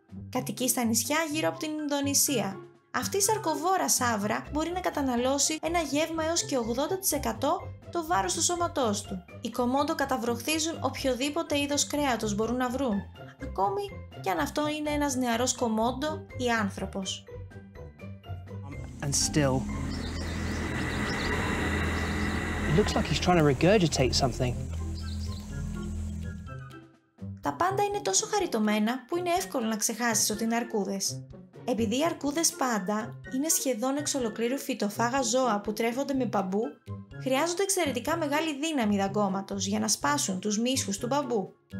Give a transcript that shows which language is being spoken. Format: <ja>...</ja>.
<el>Κατοικεί στα νησιά γύρω από την Ινδονησία. Αυτή η σαρκοβόρα σαύρα μπορεί να καταναλώσει ένα γεύμα έως και 80% το βάρος του σώματός του. Οι κομόντο καταβροχθίζουν οποιοδήποτε είδος κρέατος μπορούν να βρουν, ακόμη και αν αυτό είναι ένας νεαρός κομόντο ή άνθρωπος.</el> <en>And still, it looks like he's trying to regurgitate something.</en> <el>Τα πάντα είναι τόσο χαριτωμένα που είναι εύκολο να ξεχάσεις ότι είναι αρκούδες. Επειδή οι αρκούδες πάντα είναι σχεδόν εξ ολοκλήρου φυτοφάγα ζώα που τρέφονται με μπαμπού, χρειάζονται εξαιρετικά μεγάλη δύναμη δαγκώματος για να σπάσουν τους μύσχους του μπαμπού.</el>